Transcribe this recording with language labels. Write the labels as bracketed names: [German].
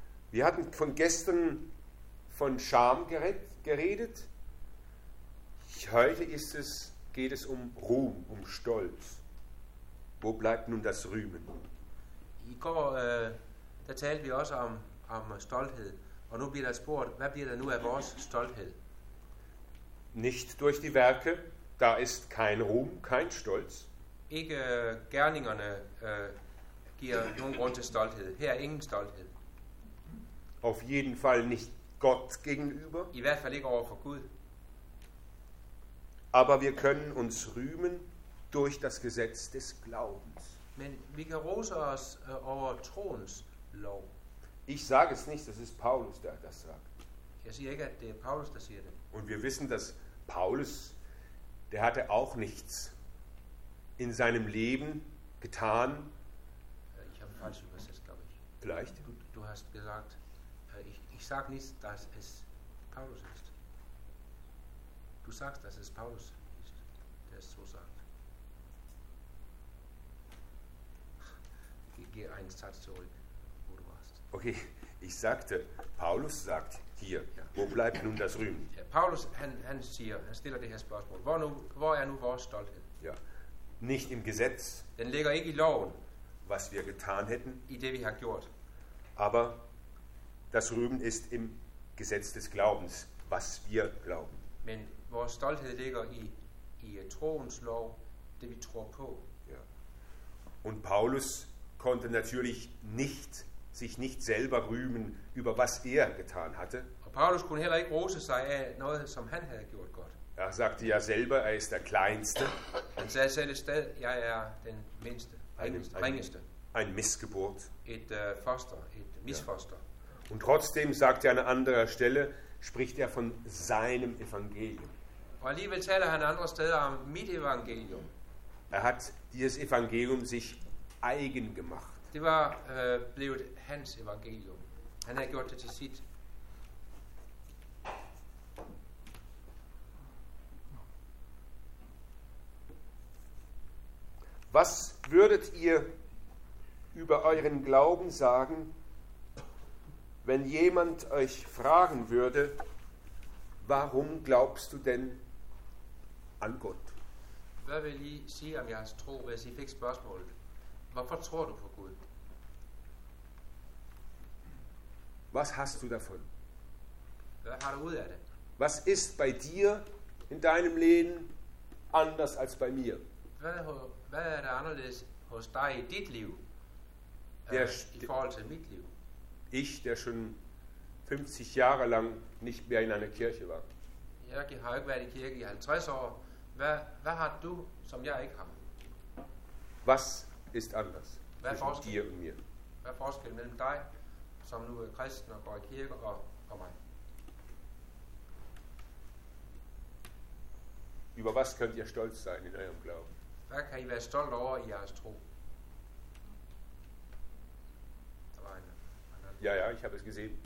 [German] Wir hatten von gestern von Scham geredet. Heute geht es um Ruhm, um Stolz. Wo bleibt nun das Rühmen? [Danish] I går der talte vi også om stolthed, og nu bliver der spurgt, hvad bliver der nu af vores stolthed? [German] Nicht durch die Werke, da ist kein Ruhm, kein Stolz. [Danish] Ikke gerningerne giver nogen grund til stolthed. Her er ingen stolthed. [German] Auf jeden Fall nicht Gott gegenüber. [Danish] I hvert fald ikke over for Gud. [German] Aber wir können uns rühmen durch das Gesetz des Glaubens. [Danish] Men vi kan rose os over troens lov. [German] Ich sage es nicht, das ist Paulus, der das sagt. [Danish] Jeg siger ikke, at det er Paulus, der siger det. [German] Und wir wissen, dass Paulus, der hatte auch nichts in seinem Leben getan. Ich habe falsch übersetzt, glaube ich. Vielleicht. Du hast gesagt, ich sage nicht, dass es Paulus ist. Du sagst, dass es Paulus ist, der es so sagt. Ich gehe einen Satz zurück, wo du warst. Okay, ich sagte, Paulus sagt hier, wo bleibt nun das Rühmen? [Danish] Ja, Paulus, han stiller det her spørgsmål. Hvor er nu vores stolthed? [German] Ja, nicht im Gesetz. [Danish] Den ligger ikke i loven. [German] Was wir getan hätten. [Danish] I det, vi har gjort. [German] Aber das Rühmen ist im Gesetz des Glaubens, was wir glauben. [Danish] Men vores stolthed ligger i troens lov, det vi tror på. [German] Ja. Und Paulus konnte natürlich nicht sich nicht selber rühmen über was er getan hatte. Und Paulus konnte [Danish] heller ikke rose sig af noget som han havde gjort godt. [German] Er sagte ja selber, er ist der kleinste. [Danish] Han sagde selv sted, jeg er den mindste, ringeste. [German] Ein Missgeburt. [Danish] Et misfoster. Ja. [German] Und trotzdem sagt er an anderer Stelle, spricht er von seinem Evangelium. [Danish] Und alligevel taler han andre steder om mit evangelium. [German] Er hat dieses Evangelium sich eigen gemacht. [Danish] Det var blevet hans evangelium. Han havde gjort det til sit. [German] Was würdet ihr über euren Glauben sagen, wenn jemand euch fragen würde, warum glaubst du denn an Gott? [Danish] Hvad vil I sige om jeres tro, hvis I fik spørgsmålet? Hvorfor tror du på Gud? [German] Was hast du davon? [Danish] Hvad har du ud af det? [German] Was ist bei dir in deinem Leben anders als bei mir? [Danish] Hvad er der anderledes hos dig i dit liv, i forhold til mit liv? [German] Ich, der schon 50 Jahre lang nicht mehr in einer Kirche war. [Danish] Jeg har ikke været i kirke i 50 år. Hvad har du, som jeg ikke har? [German] Was ist anders zwischen dir und mir? [Danish] Hvad er forskel mellem dig, som nu er kristen og går i kirke, og mig? [German] Über was könnt ihr stolz sein in eurem Glauben? [Danish] Hvad kan I være stolt over i jeres tro? [German] Ja, ja, ich habe es gesehen.